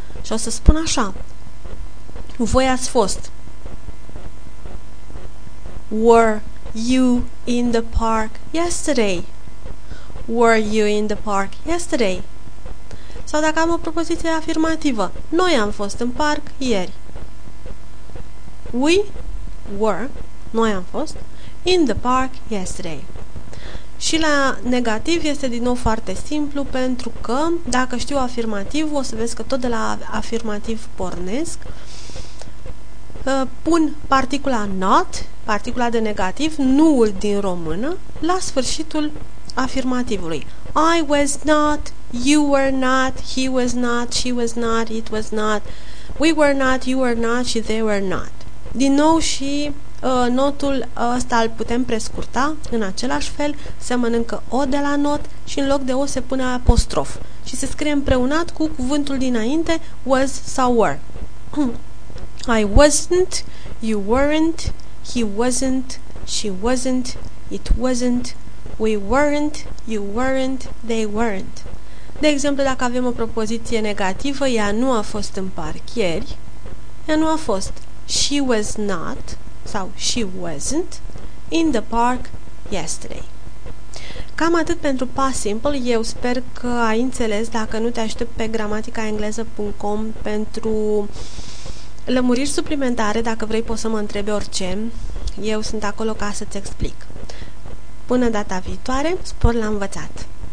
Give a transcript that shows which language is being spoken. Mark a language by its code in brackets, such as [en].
[ro] Și o să spun așa. Voi ați fost. [en] Were you in the park yesterday? Were you in the park yesterday? [ro] Sau dacă am o propoziție afirmativă, noi am fost în parc ieri. [en] We were, [ro] noi am fost, [en] in the park yesterday. [ro] Și la negativ este din nou foarte simplu, pentru că dacă știu afirmativ, o să vezi că tot de la afirmativ pornesc. Pun particula not, particula de negativ, nu-ul din română, la sfârșitul afirmativului. [en] I was not, you were not, he was not, she was not, it was not, we were not, you were not și they were not. [ro] Din nou și notul ăsta îl putem prescurta în același fel, se mănâncă o de la not și în loc de o se pune apostrof și se scrie împreunat cu cuvântul dinainte, was sau were. [en] I wasn't, you weren't, he wasn't, she wasn't, it wasn't, we weren't, you weren't, they weren't. [ro] De exemplu, dacă avem o propoziție negativă, ea nu a fost în parc ieri, ea nu a fost. [en] She was not, [ro] sau [en] she wasn't, in the park yesterday. [ro] Cam atât pentru Past Simple. Eu sper că ai înțeles. Dacă nu, te aștept pe gramaticaengleză.com pentru lămuriri suplimentare. Dacă vrei, poți să mă întrebi orice. Eu sunt acolo ca să-ți explic. Până data viitoare, spor la învățat!